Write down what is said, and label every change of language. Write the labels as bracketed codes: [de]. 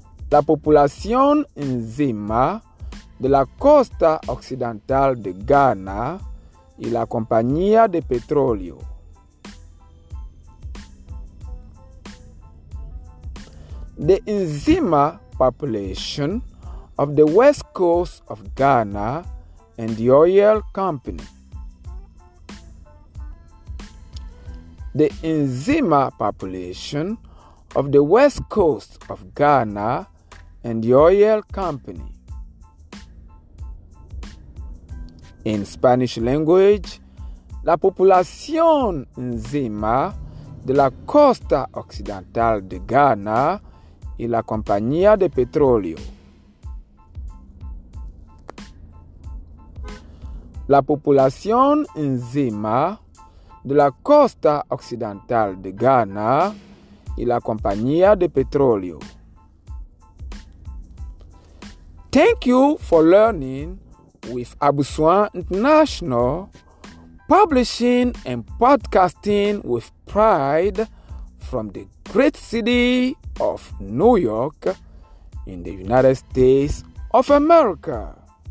[es] La población Nzima de la costa occidental de Ghana y la compañía de petróleo. [en] The Nzima population of the west coast of Ghana and the oil company. The Nzima population of the west coast of Ghana and the oil company. In Spanish language, [es] la población Nzima de la costa occidental de Ghana y la compañía de petróleo. La población Nzima de la costa occidental de Ghana y la compañía de petróleo. [en] Thank you for learning with Aboussouan International, publishing and podcasting with pride from the great city of New York in the United States of America.